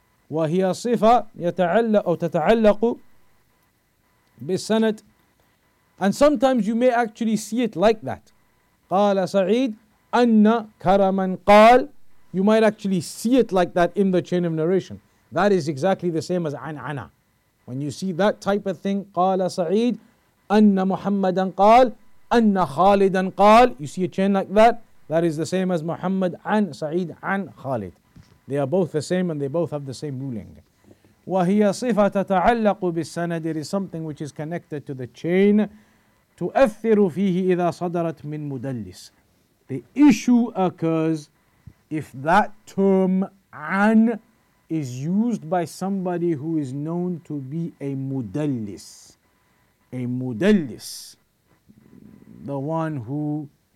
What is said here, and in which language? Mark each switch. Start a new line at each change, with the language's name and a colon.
Arabic: وهي صفة يتعلق أو تتعلق بالسند.
English: And sometimes you may actually see it like that.
Arabic: قال سعيد أن كرما قال.
English: You might actually see it like that in the chain of narration. That is exactly the same as
Arabic: عن عنا.
English: When you see that type of thing,
Arabic: قال سعيد أن محمدا قال أن خالدا قال.
English: You see a chain like that. That is the same as
Arabic: محمد عن سعيد عن خالد.
English: They are both the same and they both have the same ruling.
Arabic: وهي صفة تتعلق بالسند.
English: It is something which is connected to the chain.
Arabic: تؤثر فيه إذا صدرت من مدلس.
English: The issue occurs if that term عن is used by somebody who is known to be a مدلس. A مدلس. The one who...